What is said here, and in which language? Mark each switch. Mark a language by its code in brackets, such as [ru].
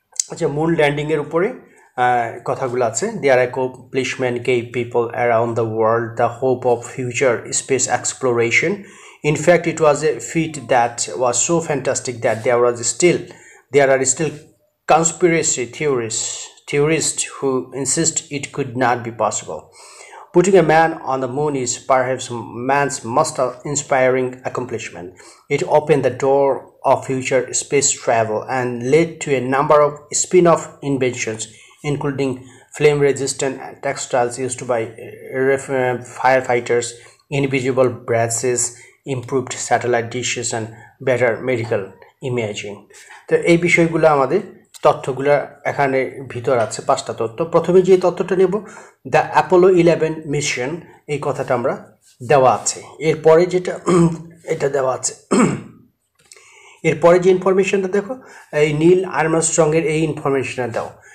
[bn] আচ্ছা, মুন ল্যান্ডিংয়ের উপরে কথাগুলো আছে। [en] They are accomplishment gave people around the world the hope of future space exploration. In fact it was a feat that was so fantastic that there are still conspiracy theorists who insist it could not be possible. Putting a man on the moon is perhaps man's most inspiring accomplishment. It opened the door of future space travel and led to a number of spin-off inventions, including flame-resistant textiles used by firefighters, invisible braces, improved satellite dishes, and better medical imaging. [bn] তো এই বিষয়গুলো আমাদের তথ্যগুলো এখানে ভিতর আছে, পাঁচটা তথ্য। প্রথমে যে তথ্যটা নেব, দ্য অ্যাপোলো ইলেভেন মিশন, এই কথাটা আমরা দেওয়া আছে। এরপরে যেটা এটা দেওয়া আছে, এরপরে যে ইনফরমেশানটা দেখো, এই নীল আর্মস্ট্রংয়ের এই ইনফরমেশানটা দাও।